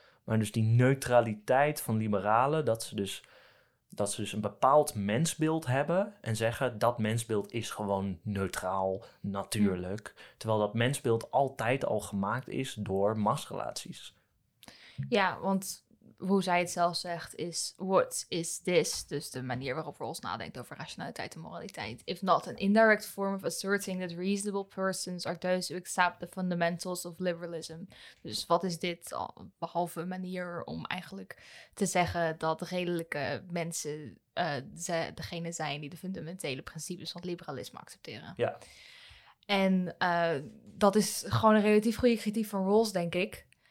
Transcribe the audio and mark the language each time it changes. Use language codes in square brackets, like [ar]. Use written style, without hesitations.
[nl] Maar dus die neutraliteit van liberalen, dat ze dus een bepaald mensbeeld hebben en zeggen dat mensbeeld is gewoon neutraal, natuurlijk. Terwijl dat mensbeeld altijd al gemaakt is door machtsrelaties. Ja, want hoe zij het zelf zegt is, [en] what is this? [nl] Dus de manier waarop Rawls nadenkt over rationaliteit en moraliteit. [en] If not an indirect form of asserting that reasonable persons are those who accept the fundamentals of liberalism. [nl] Dus wat is dit behalve een manier om eigenlijk te zeggen dat redelijke mensen degene zijn die de fundamentele principes van liberalisme accepteren. Ja. En dat is gewoon een relatief goede kritiek van Rawls, denk ik.